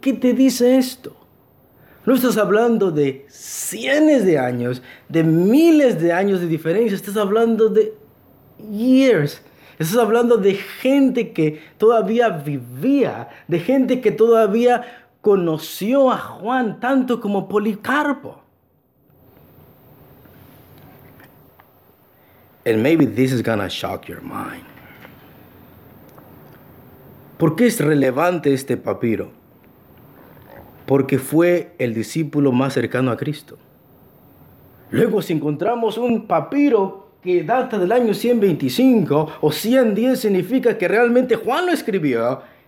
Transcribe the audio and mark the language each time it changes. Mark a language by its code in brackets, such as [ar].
[es] ¿Qué te dice esto? No estás hablando de cientos de años, de miles de años de diferencia. Estás hablando de [en] years. [es] Estás hablando de gente que todavía vivía, de gente que todavía conoció a Juan tanto como Policarpo. [en] And maybe this is gonna shock your mind. [es] ¿Por qué es relevante este papiro? Porque fue el discípulo más cercano a Cristo. Luego, si encontramos un papiro que data del año 125 o 110, significa que realmente Juan lo escribió.